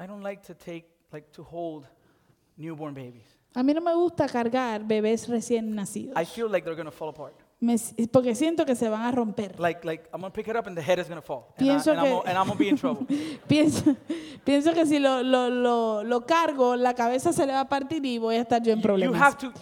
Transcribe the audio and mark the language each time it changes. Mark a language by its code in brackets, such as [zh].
[en] I don't like to hold newborn babies. [es] A mí no me gusta cargar bebés recién nacidos. [en] I feel like they're gonna fall apart. [es] Porque siento que se van a romper. [en] Like I'm gonna pick it up and the head is gonna fall. And I'm gonna be in trouble. [es] pienso que si lo cargo, la cabeza se le va a partir y voy a estar yo en problemas.